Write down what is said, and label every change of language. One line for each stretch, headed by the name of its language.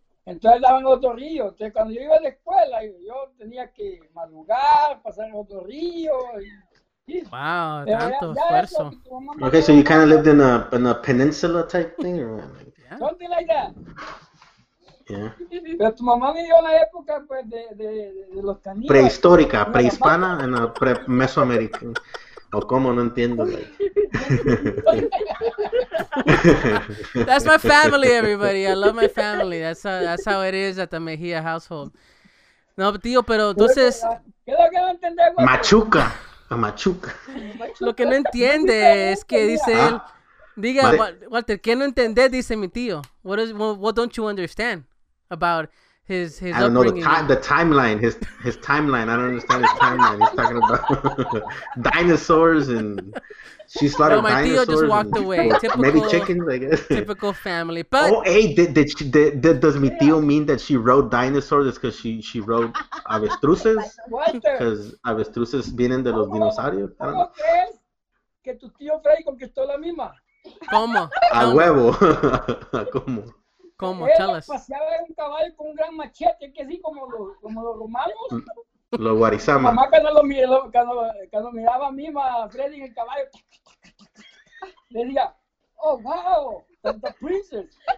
Spanish: Entonces daban otro río. Entonces, cuando yo iba a la escuela, yo tenía que madrugar, pasar en otro río. Wow, tanto esfuerzo.
English: Okay, so you kind of lived in a peninsula type thing? Or... Yeah. Something like that. Yeah.
Spanish: Pero tu mamá vivió en la época pues, de los caníbales. Prehistórica, prehispana, en la mesoamérica. O cómo, no entiendo.
English: That's my family, everybody. I love my family. That's how it is at the Mejia household.
Spanish: No, tío, pero entonces... Machuca. A Machuca. Lo que no entiende es que dice él... Diga, Walter, ¿qué no entiende? Dice mi tío.
English: What don't you understand about his upbringing? I don't know the timeline, his timeline. I don't understand his timeline. He's talking about dinosaurs and... She slaughtered dinosaurs. My tío just walked away. Typical, maybe chickens, I guess. Typical family. But oh, hey, does mi tío mean that she rode dinosaurs? It's because she rode avestruces?
Spanish: Because avestruces vienen de los dinosaurios? ¿Cómo crees que tu tío Freddy conquistó la misma? ¿Cómo? A huevo. ¿Cómo? ¿Cómo?
English: Tell us.
Spanish: Paseaba en un caballo con un gran machete, que sí, como los romanos. Los guarizamos. Mamá cuando miraba a mí, a Freddy en el caballo, le decía, oh, wow, tanta princesa.